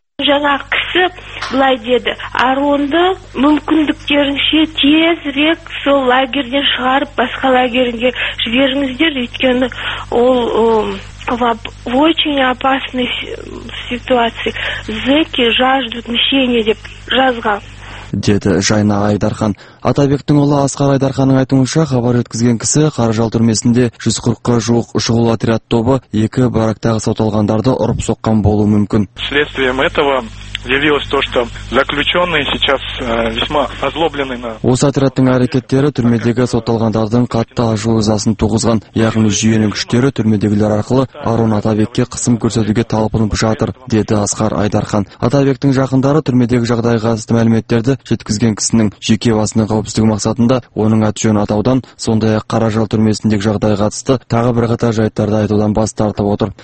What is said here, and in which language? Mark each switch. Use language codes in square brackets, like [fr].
[kk] Жаңа кісі былай деді, Аронды мүмкіндіктерінше тезірек сол лагерден шығарып басқа лагерге жіберіңіздер, өйткені ол [ru] в очень опасной ситуации. Зэки жаждут мщения, [kk] деп жазған. Деді Жайна Айдархан. Атабектің ұлы Асқар Айдарханның айтуынша, хабар жеткізген кісі Қаражал түрмесінде 140-қа жуық шұғыл отряд тобы екі барактағы сотталғандарды ұрып соққан болуы мүмкін. [ru] Следствием этого явилось то, что заключенные сейчас весьма озлоблены на... [kk] Осы отрядтың әрекеттері түрмедегі сотталғандардың қатты ашу ызасын туғызған, яғни жүйенің күштері түрмедегілер арқылы Арон Атабекке қысым көрсетуге талпынып жатыр, деді Асқар Айдархан. Атабектің жақындары түрмедегі жағдайға қатысты мәліметтерді жеткізген кісінің жеке басының қауіпсіздігі мақсатында оның аты-жөнін атаудан, сондай-ақ Қаражал түрмесіндегі жағдайға қатысты тағы бірқатар жайттарды айтудан бас тартып отыр.